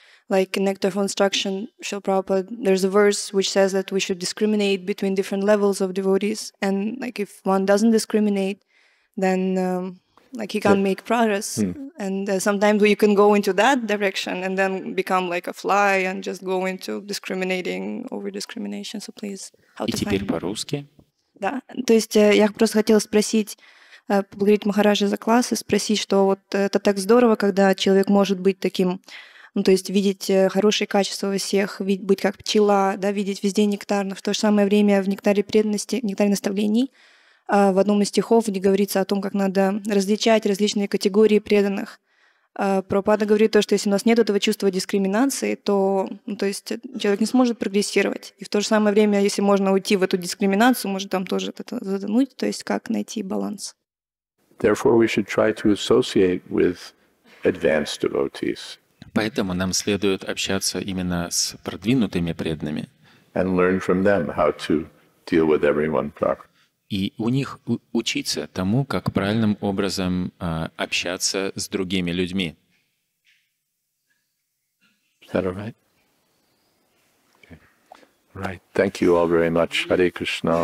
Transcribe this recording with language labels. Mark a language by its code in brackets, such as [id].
[en] Like nectar for instruction, Srila Prabhupada, there's a verse which says that we should discriminate between different levels of devotees. And like if one doesn't discriminate, then like he can't make progress. And sometimes you can go into that direction and then become like a fly and just go into discriminating, over discrimination. So please, how to find? [ru] И теперь по-русски. Да, то есть я просто хотела спросить, поблагодарить Махараджа за класс и спросить, что вот это так здорово, когда человек может быть таким, ну, то есть видеть хорошие качества во всех, быть как пчела, да, видеть везде нектар, но в то же самое время в нектаре преданности, в нектаре наставлений. В одном из стихов не говорится о том, как надо различать различные категории преданных. Прабхупада говорит то, что если у нас нет этого чувства дискриминации, то, ну, то есть человек не сможет прогрессировать. И в то же самое время, если можно уйти в эту дискриминацию, может там тоже это затонуть, то есть как найти баланс. [en] Therefore, we should try to associate with advanced devotees. [ru] Поэтому нам следует общаться именно с продвинутыми преданными. [en] And learn from them how to deal with everyone properly. [ru] И у них учиться тому, как правильным образом общаться с другими людьми. [en] Is that all right? Okay. Right. Thank you all very much. Hare Krishna.